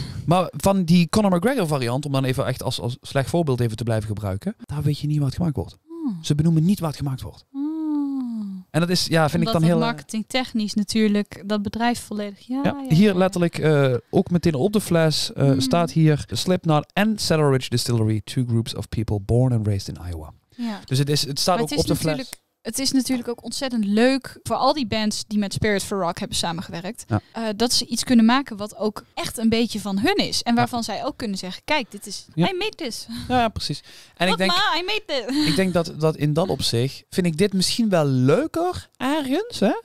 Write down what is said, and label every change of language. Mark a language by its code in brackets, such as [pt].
[nl] Maar van die Conor McGregor variant, om dan even echt als slecht voorbeeld even te blijven gebruiken, daar weet je niet waar het gemaakt wordt. Ze benoemen niet waar het gemaakt wordt. En dat is, vind omdat ik dan heel... marketing technisch natuurlijk, dat bedrijf volledig. Ja. Hier letterlijk, ook meteen op de fles, staat hier... [en] Slipknot en Saddle Ridge Distillery, two groups of people born and raised in Iowa. [nl] Ja. Dus het staat maar ook op de fles. Het is natuurlijk ook ontzettend leuk voor al die bands die met Spirit for Rock hebben samengewerkt. Ja. Dat ze iets kunnen maken wat ook echt een beetje van hun is. En waarvan zij ook kunnen zeggen, kijk, dit is... [en] Ja. I made this. [nl] Ja, precies. En [en] I made this. [nl] Ik denk dat in dat opzicht vind ik dit misschien wel leuker ergens. Hè?